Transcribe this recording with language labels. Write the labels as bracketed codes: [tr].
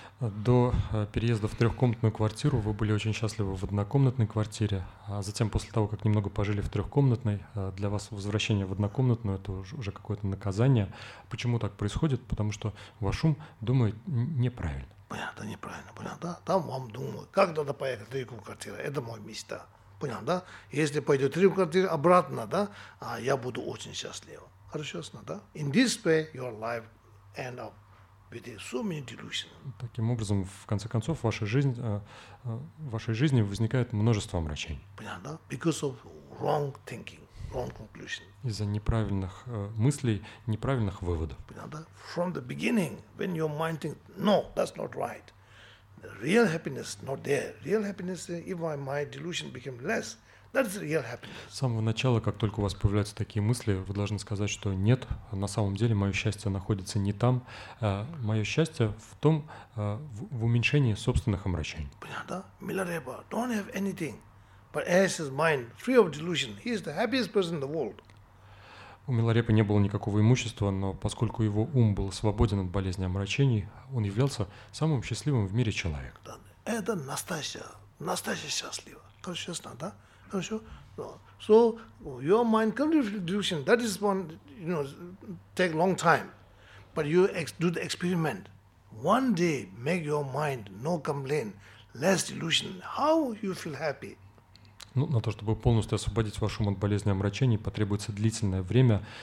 [ru] До переезда в трехкомнатную квартиру вы были очень счастливы в однокомнатной квартире, а затем после того, как немного пожили в трехкомнатной, для вас возвращение в однокомнатную – это уже какое-то наказание. Почему так происходит? Потому что ваш ум думает неправильно. Понятно, неправильно, понятно, да? Там вам думают, как надо поехать в трехкомнатную квартиру, это мой мечта. Понял, да? Если пойдет три квартиры обратно, да, я буду очень счастлив. Хорошо, да? [en] In this way, your life end up with so many delusions. [ru] Таким образом, в конце концов, в вашей жизни возникает множество омрачений. Понял, да? [en] Because of wrong thinking, wrong conclusion. [ru] Из-за неправильных мыслей, неправильных выводов. Понял, да? [en] From the beginning, when your mind thinks, no, that's not right. Real happiness not there. Real happiness if my delusion became less. That's real happiness. [ru] С самого начала, как только у вас появляются такие мысли, вы должны сказать, что нет, на самом деле мое счастье находится не там. Мое счастье в том, в уменьшении собственных омрачений. Понятно, да? [en] Milarepa don't have anything, but as his mind free of delusion, he is the happiest person in the world. [ru] У Миларепы не было никакого имущества, но поскольку его ум был свободен от болезни омрачений, он являлся самым счастливым в мире человеком. Да, это настоящее счастливо. Конечно, да? Хорошо? [en] So, your mind can be delusion. That is one, you know, take long time. But you do the experiment. One day, make your mind no complain, less delusion. How you feel happy? [ru] Ну, на то, чтобы полностью освободить ваш ум от болезни омрачений, потребуется длительное время.